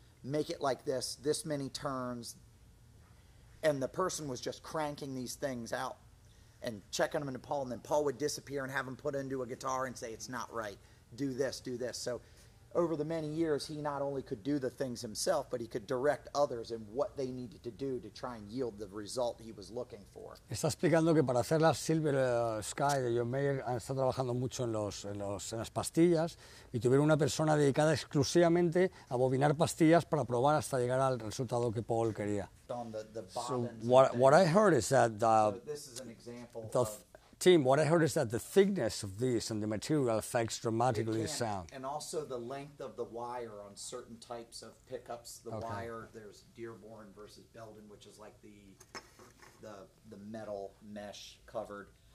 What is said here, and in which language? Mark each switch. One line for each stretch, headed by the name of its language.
English: Make it like this, this many turns. And the person was just cranking these things out and checking them into Paul, and then Paul would disappear and have him put into a guitar and say, it's not right. Do this, do this. So over the many years, he not only could do the things himself, but he could direct others in what they needed to do to try and yield the result he was looking for.
Spanish: Está explicando que para hacer la Silver Sky de John Mayer han estado trabajando mucho en las pastillas y tuvieron una persona dedicada exclusivamente a bobinar pastillas para probar hasta llegar al resultado que Paul quería.
English: So what I heard is that this is an example. Team, what I heard is that the thickness of this and the material affects dramatically the sound. And also the length of the wire on certain types of pickups. The wire, there's Dearborn versus Belden, which is like the metal mesh covered.